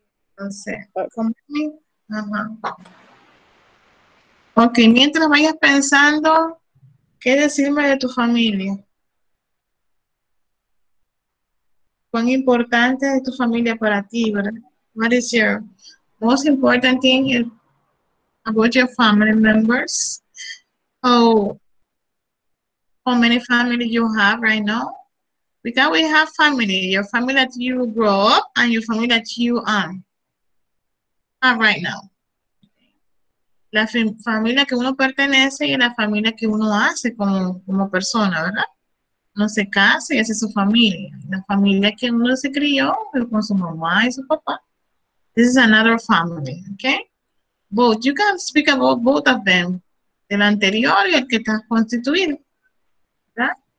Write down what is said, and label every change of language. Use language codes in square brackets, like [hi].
[es] Entonces, ¿cómo? Ajá. Ok, mientras vayas pensando, ¿qué decirme de tu familia? ¿Cuán importante es tu familia para ti, verdad? [en] What is your most important thing about your family members? Oh, how many family you have right now? Because we have family, your family that you grow up and your family that you have right now. [es] La familia que uno pertenece y la familia que uno hace como persona, ¿verdad? Uno se casa y hace su familia. La familia que uno se crió con su mamá y su papá. [en] This is another family, okay? Both, you can speak about both of them. [es] El anterior y el que está constituido, ¿verdad?